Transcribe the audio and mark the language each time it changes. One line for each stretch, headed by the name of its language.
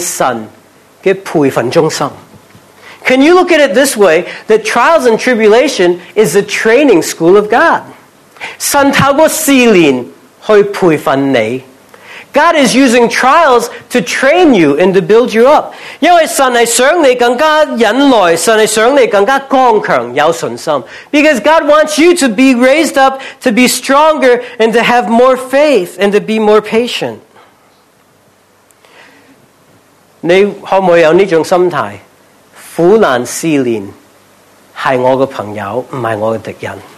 Chinese: 你可以这样看，试炼困难是神的培训中心。
English: Can you look at it this way? That trials and tribulation is the training school of God.
Chinese: 神透过试炼去培训你。
English: God is using trials to train you and to build you up.
Chinese: 因为神是想你更加忍耐，神是想你更加刚强，有信心。
English: Because God wants you to be raised up, to be stronger, and to have more faith, and to be more patient.
Chinese: 你可不可以有这种心态？苦难试炼是我的朋友，不是我的敌人。